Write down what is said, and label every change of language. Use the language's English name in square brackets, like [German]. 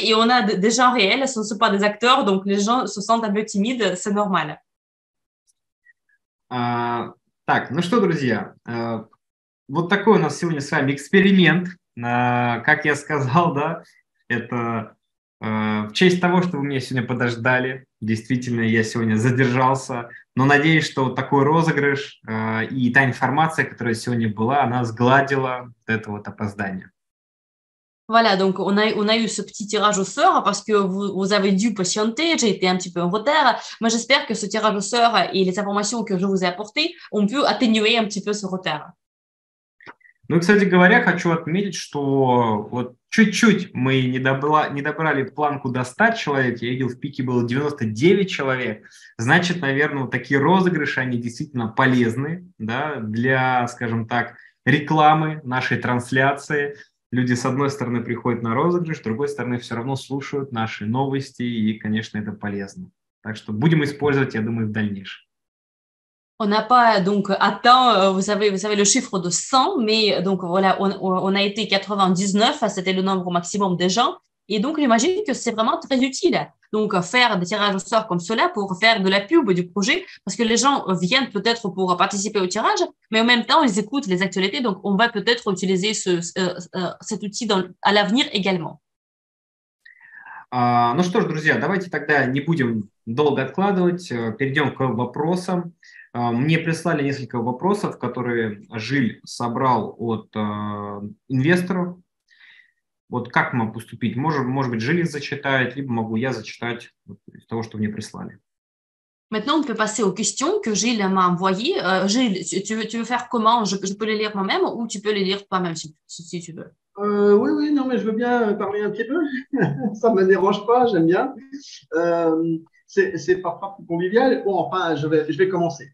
[French] Et on a des gens réels, ce ne sont pas des acteurs, donc les gens se sentent un peu timides, c'est normal. [Russian] Так, ну что, друзья, вот такой у нас сегодня с вами эксперимент, как я сказал, да, это в честь того, что вы меня сегодня подождали. Действительно, я сегодня задержался. Но надеюсь, что вот такой розыгрыш и та информация, которая сегодня была, она сгладила вот это вот опоздание. [French] Voilà, donc on a eu ce petit tirage au sort parce que vous avez dû patienter, j'ai été un petit peu en retard, mais j'espère que ce tirage au sort et les informations que je vous ai apportées ont pu atténuer un petit peu ce retard. [Russian] Ну, кстати говоря, хочу отметить, что вот чуть-чуть мы не добрали планку до 100 человек, я видел, в пике было 99 человек, значит, наверное, вот такие розыгрыши, они действительно полезны, да, для, скажем так, рекламы нашей трансляции. Люди, с одной стороны, приходят на розыгрыш, с другой стороны, все равно слушают наши новости, и, конечно, это полезно. Так что будем использовать, я думаю, в дальнейшем. [French] On n'a pas donc atteint, vous savez le chiffre de 100, mais donc voilà, on a été 99, c'était le nombre maximum des gens. Et donc, j'imagine que c'est vraiment très utile, donc faire des tirages au sort comme cela pour faire de la pub du projet, parce que les gens viennent peut-être pour participer au tirage, mais en même temps, ils écoutent les actualités, donc on va peut-être utiliser cet outil à l'avenir également. [Russian] Ну что ж, друзья, давайте тогда не будем долго откладывать, перейдем к вопросам. Мне прислали несколько вопросов, которые Жиль собрал от инвесторов. Вот как нам поступить? Может быть, Жиль их зачитает, либо могу я зачитать вот, из того, что мне прислали. [French] Maintenant, on peut passer aux questions que Жиль m'a envoyées. Жиль, tu veux faire comment? Je peux les lire moi-même ou tu peux les lire toi-même, si tu veux? Oui, oui, non, mais je veux bien parler un petit peu. Ça ne me dérange pas, j'aime bien. C'est parfois plus convivial. Bon, enfin, je vais commencer.